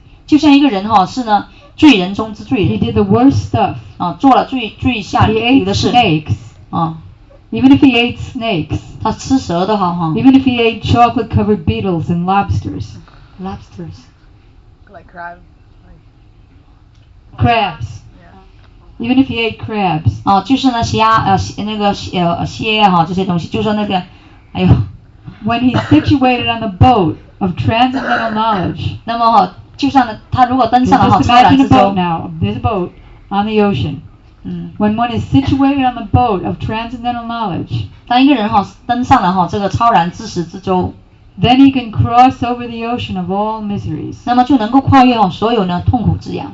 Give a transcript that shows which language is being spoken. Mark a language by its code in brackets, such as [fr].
[zh] 就像一个人是呢罪人中之罪人 [en] He did the worst stuff [zh] 做了最下流的事 [en] He ate snakes Even if he ate snakes [zh] 他吃蛇的好 [en] Even if he ate chocolate covered beetles and lobsters Lobsters Like crab Crabs Even if he ate crabs [zh] 就是虾那个蟹这些东西就是那个 [en] When he's situated on the boat of transcendental knowledge [zh] 那么就像他如果登上了超然之舟 [en] now, this boat on the ocean. When one is situated on the boat of transcendental knowledge, [zh] 当一个人登上了这个超然知识之舟 [en] then he can cross over the ocean of all miseries. [zh] 那么就能够跨越所有痛苦之洋